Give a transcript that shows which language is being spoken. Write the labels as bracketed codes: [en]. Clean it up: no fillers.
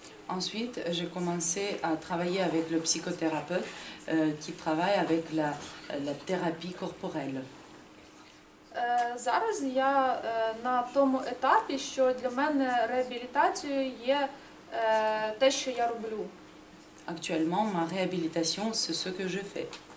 [fr] Ensuite, j'ai commencé à travailler avec le psychothérapeute qui travaille avec la thérapie corporelle. [uk] Зараз я на тому етапі, що для мене реабілітацією є те, що я роблю. [fr] Actuellement, ma réhabilitation, c'est ce que je fais.